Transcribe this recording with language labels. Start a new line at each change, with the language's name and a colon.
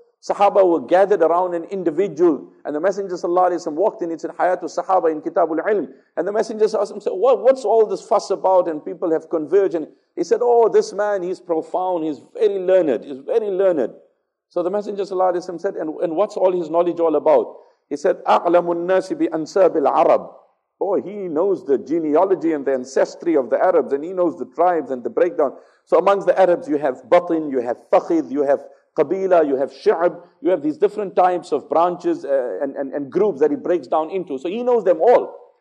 English: Sahaba were gathered around an individual, and the Messenger sallallahu alayhi wa sallam walked in. It's in Hayatul Sahaba in Kitabul Ilm. And the Messenger asked him, what's all this fuss about? And people have converged. And he said, oh, this man, he's profound. He's very learned. So the Messenger sallallahu alayhi wa sallam said, and what's all his knowledge all about? He said,
Arabic: أَعْلَمُ النَّاسِ بِأَنْسَابِ الْعَرَبِ.
English: Oh, he knows the genealogy and the ancestry of the Arabs, and he knows the tribes and the breakdown. So amongst the Arabs, you have Batin, you have Fakhid, you have Qabila, you have Shi'ab, you have these different types of branches and groups that he breaks down into. So he knows them all.